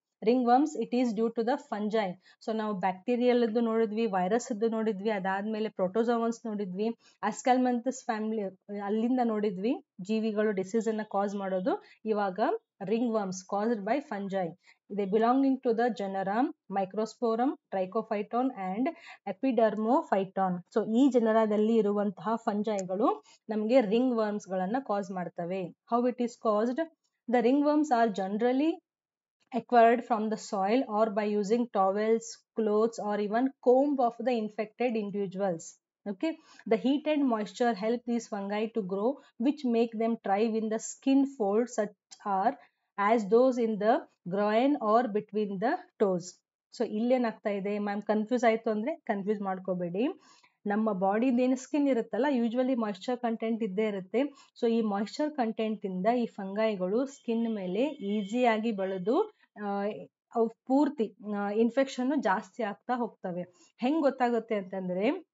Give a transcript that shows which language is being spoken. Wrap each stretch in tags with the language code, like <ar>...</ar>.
<en>Ringworms it is due to the fungi.</en> <kn>So ನಾವು bacterial ನೋಡಿದ್ವಿ, virus ಅದು ನೋಡಿದ್ವಿ, ಅದಾದ್ಮೇಲೆ ಪ್ರೋಟೋಸೋವನ್ಸ್ ನೋಡಿದ್ವಿ, ಆಸ್ಕಲ್ಮಂತಸ್ ಫ್ಯಾಮಿಲಿ ಅಲ್ಲಿಂದ ನೋಡಿದ್ವಿ ಜೀವಿಗಳು ಡಿಸೀಸ್ ಅನ್ನ ಕಾಸ್ ಮಾಡೋದು.</kn> <en>ಇವಾಗ ringworms caused by fungi, ಇದೆ belonging to the genera Microsporum, Trichophyton and Epidermophyton.</en> <kn>So ಈ ಜನರಾದಲ್ಲಿ ಇರುವಂತಹ ಫಂಜೈಗಳು ನಮ್ಗೆ ರಿಂಗ್ ವರ್ಮ್ಸ್ ಗಳನ್ನ ಕಾಸ್ ಮಾಡ್ತವೆ.</kn> <en>How it is caused? The ringworms are generally acquired from the soil or by using towels, clothes or even comb of the infected individuals. Okay, the heat and moisture help these fungi to grow, which make them thrive in the skin folds such are as those in the groin or between the toes.</en> <kn>So illen aagta ide ma'am, confuse aitu andre confuse maadkobedi. ನಮ್ಮ ಬಾಡಿದ ಏನು skin ಇರುತ್ತಲ್ಲ, usually moisture content ಇದ್ದೇ ಇರುತ್ತೆ. So ಈ moisture content ಇಂದ ಈ ಫಂಗೈಗಳು skin ಮೇಲೆ ಈಸಿಯಾಗಿ ಬೆಳೆದು ಅವು ಪೂರ್ತಿ ಇನ್ಫೆಕ್ಷನ್ ಜಾಸ್ತಿ ಆಗ್ತಾ ಹೋಗ್ತವೆ. ಹೆಂಗ್ ಗೊತ್ತಾಗುತ್ತೆ ಅಂತಂದ್ರೆ,</kn>